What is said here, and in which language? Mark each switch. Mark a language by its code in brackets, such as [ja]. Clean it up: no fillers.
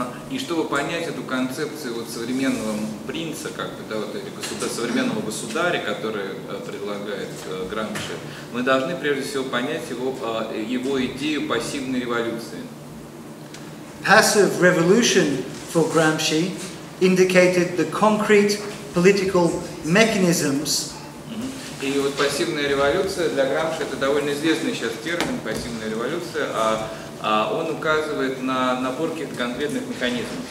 [ru] И чтобы понять эту концепцию вот современного принца, как бы, да, вот, современного государя, который предлагает Грамши, мы должны прежде всего понять его идею пассивной революции. [en] Passive revolution for Gramsci indicated the concrete political mechanisms. [ru] И вот пассивная революция для Грамши — это довольно известный сейчас термин, пассивная революция, а он указывает на набор каких-то конкретных механизмов,